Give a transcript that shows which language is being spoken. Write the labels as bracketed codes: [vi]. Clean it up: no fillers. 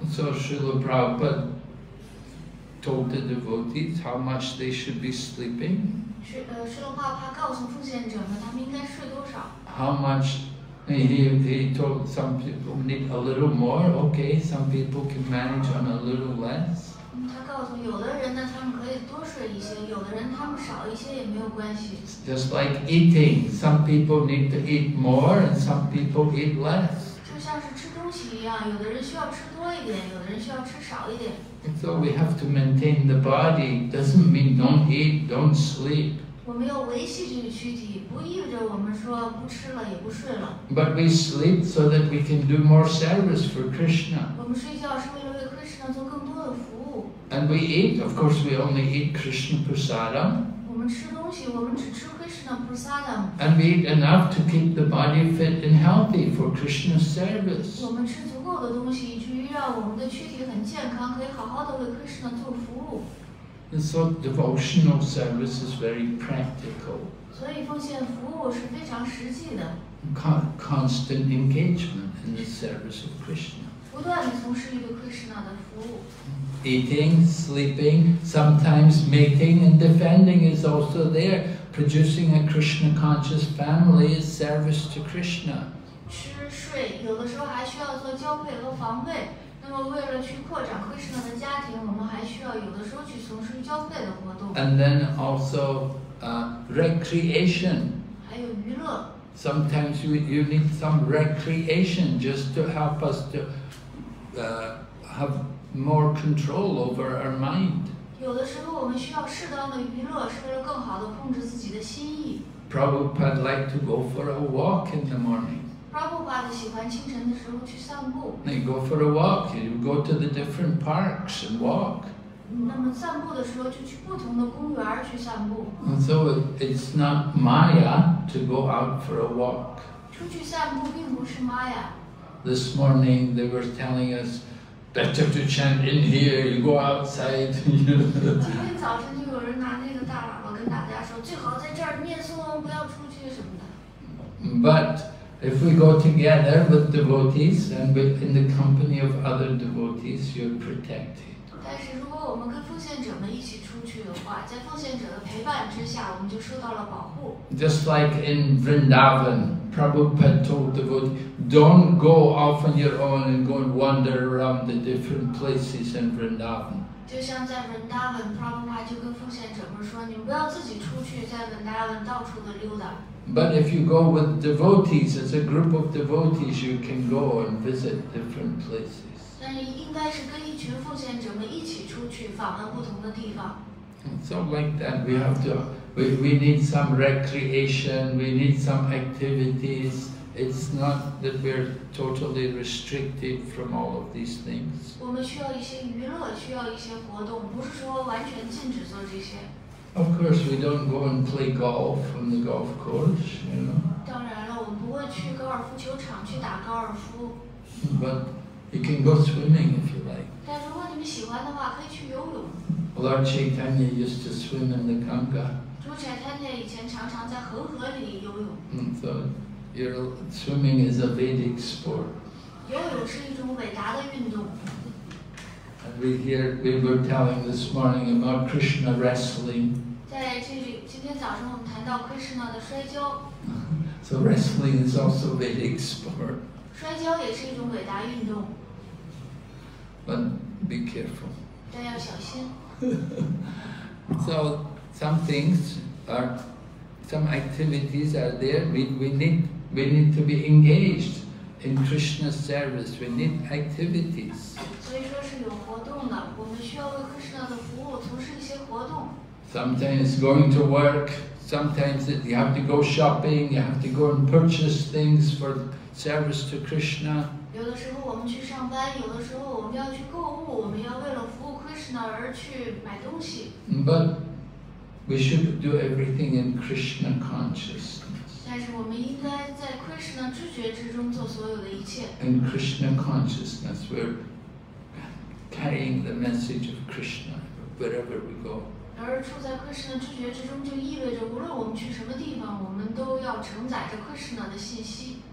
[en] So Srila Prabhupada told the devotees how much they should be sleeping. [zh] Srila Prabhupada 告诉奉献者们，他们应该睡多少。 [en] How much? He told some people need a little more. Okay, some people can manage on a little less. [zh] 他告诉有的人呢，他们可以多睡一些，有的人他们少一些也没有关系。 [en] Just like eating, some people need to eat more, and some people eat less. [zh] 就像是吃东西一样，有的人需要吃多一点，有的人需要吃少一点。 [en] So we have to maintain the body. Doesn't mean don't eat, don't sleep. [zh] 我们要维系这个躯体，不意味着我们说不吃了也不睡了。 [en] But we sleep so that we can do more service for Krishna. [zh] 我们睡觉是为了为 Krishna 做更多的服务。 [en] And we eat, of course, we only eat Krishna prasada. [zh] 我们吃东西，我们只吃 Krishna prasada. [en] And we eat enough to keep the body fit and healthy for Krishna's service. [zh] 我们吃足够的东西，去让我们的躯体很健康，可以好好的为 Krishna 做服务。 [en] And so devotional service is very practical. [zh] 所以奉献服务是非常实际的。 [en] Constant engagement in the service of Krishna. [zh] 不断地从事一个 Krishna 的服务。 [en] Eating, sleeping, sometimes mating and defending is also there. Producing a Krishna conscious family is service to Krishna. [zh] 吃睡，有的时候还需要做交配和防卫。那么为了去扩展 Krishna 的家庭，我们还需要有的时候去从事交配的活动。 [en] And then also, recreation. [zh] 还有娱乐。 [en] Sometimes you need some recreation just to help us to, have more control over our mind. [zh] 有的时候我们需要适当的娱乐，是为了更好的控制自己的心意。 [en] Prabhupada liked to go for a walk in the morning. [zh] Prabhupada 喜欢清晨的时候去散步。 [en] Then you go for a walk. You go to the different parks and walk. [zh] 那么散步的时候就去不同的公园去散步。 [en] And so it's not Maya to go out for a walk. [zh] 出去散步并不是 Maya. [en] This morning they were telling us better to chant in here. You go outside. [zh] 今天早晨就有人拿那个大喇叭跟大家说，最好在这儿念诵，不要出去什么的。 [en] But if we go together with devotees and in the company of other devotees, you're protected. [zh] 但是如果我们跟奉献者们一起出去的话，在奉献者的陪伴之下，我们就受到了保护。 [en] Just like in Vrindavan, Prabhupada told devotees, don't go off on your own and go and wander around the different places in Vrindavan. [zh] 就像在 Vrindavan, Prabhupada 就跟奉献者们说，你们不要自己出去，在 Vrindavan 到处的溜达。 [en] But if you go with devotees, as a group of devotees, you can go and visit different places. [zh] 但是应该是跟一群奉献者们一起出去访问不同的地方。 [en] So like that, we have to, we need some recreation, we need some activities. It's not that we're totally restricted from all of these things. [zh] 我们需要一些娱乐，需要一些活动，不是说完全禁止做这些。 [en] Of course, we don't go and play golf on the golf course, you know. [zh] 当然了，我们不会去高尔夫球场去打高尔夫。 [en] But you can go swimming if you like. [zh] 但如果你们喜欢的话，可以去游泳。 [en] Lord Chaitanya used to swim in the Ganga. [zh] 朱柴坦涅以前常常在恒河里游泳。 [en] So. Your swimming is a Vedic sport. [zh] 游泳是一种伟大的运动。 [en] And we hear, we were telling this morning about Krishna wrestling. [zh] 在这里，今天早上我们谈到 Krishna 的摔跤。 [en] So wrestling is also Vedic sport. [zh] 摔跤也是一种伟大运动。 [en] But be careful. [zh] 但要小心。 [en] So some things are. Some activities are there. We need to be engaged in Krishna's service. We need activities. [zh] 所以说是有活动的，我们需要为 Krishna 的服务从事一些活动。 [en] Sometimes going to work. Sometimes you have to go shopping. You have to go and purchase things for service to Krishna. [zh] 有的时候我们去上班，有的时候我们要去购物，我们要为了服务 Krishna 而去买东西。 [en] But. We should do everything in Krishna consciousness. In Krishna consciousness, we're carrying the message of Krishna wherever we go. [zh] 而处在克什那知觉之中，就意味着无论我们去什么地方，我们都要承载着克什那的信息。